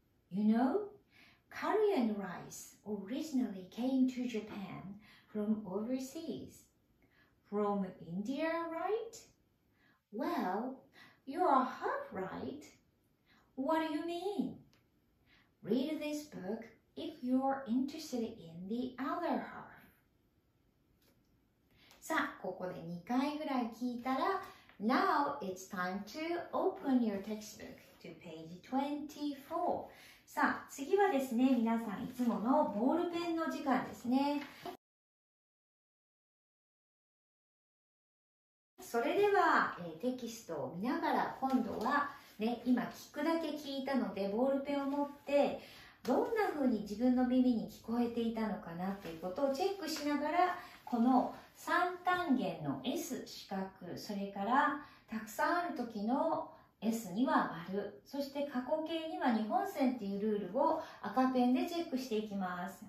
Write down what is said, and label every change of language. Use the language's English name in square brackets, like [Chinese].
[English] You know, curry and rice originally came to Japan from overseas. From India, right? Well,You are half right. What do you mean? Read this book if you're interested in the other half. [Japanese] さあ、ここで2回ぐらい聞いたら、 [English] Now it's time to open your textbook to page 24. [Japanese] さあ、次はですね、皆さんいつものボールペンの時間ですね。それでは、テキストを見ながら今度は、ね、今聞くだけ聞いたのでボールペンを持ってどんな風に自分の耳に聞こえていたのかなということをチェックしながらこの三単元の S 四角それからたくさんある時の S には丸そして過去形には2本線というルールを赤ペンでチェックしていきます。